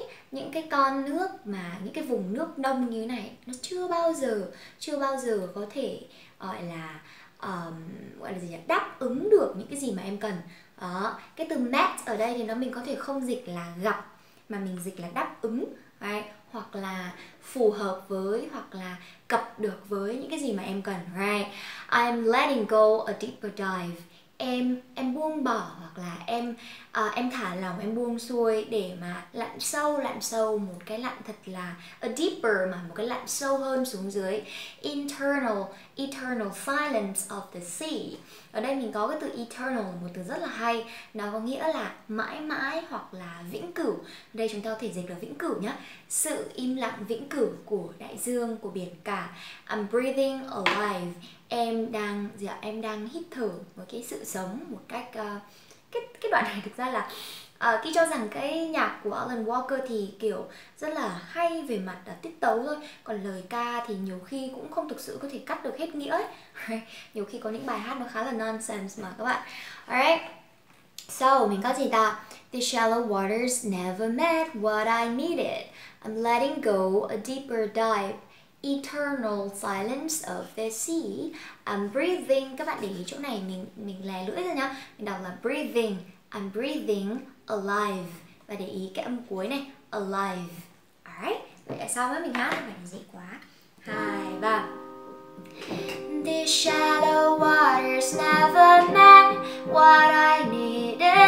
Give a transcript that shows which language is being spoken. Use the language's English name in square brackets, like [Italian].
[Vietnamese] Những cái con nước mà những cái vùng nước đông như thế này nó chưa bao giờ có thể gọi là gì nhỉ? Đáp ứng được những cái gì mà em cần. Đó, cái từ met ở đây thì nó mình có thể không dịch là gặp mà mình dịch là đáp ứng, right? Hoặc là phù hợp với, hoặc là cập được với những cái gì mà em cần, right? [English] I'm letting go a deeper dive. [Vietnamese] Em buông bỏ, hoặc là em thả lỏng, em buông xuôi để mà lặn sâu một cái lặn thật là [English] a deeper, [Vietnamese] mà một cái lặn sâu hơn xuống dưới. [English] Eternal silence of the sea. [Vietnamese] Ở đây mình có cái từ eternal, một từ rất là hay, nó có nghĩa là mãi mãi hoặc là vĩnh cửu. Đây chúng ta có thể dịch là vĩnh cửu nhá, sự im lặng vĩnh cửu của đại dương, của biển cả. [English] I'm breathing alive. [Vietnamese] Em đang hít thở một cái sự sống một cách cái đoạn này thực ra là khi cho rằng cái nhạc của Alan Walker thì kiểu rất là hay về mặt tiết tấu thôi, còn lời ca thì nhiều khi cũng không thực sự có thể cắt được hết nghĩa ấy. Nhiều khi có những bài hát nó khá là nonsense mà các bạn. Alright, so mình có gì ta? [English] The shallow waters never met what I needed. I'm letting go a deeper dive. Eternal silence of the sea. I'm breathing. [Vietnamese] Các bạn để ý chỗ này, mình lè lưỡi ra nhá. Mình đọc là breathing. [English] I'm breathing alive. [Vietnamese] Và để ý cái âm cuối này, alive. Alright. Vậy là sao với mình hát này? Bài này dễ quá. 2, 3. [English] The shallow waters never met what I needed.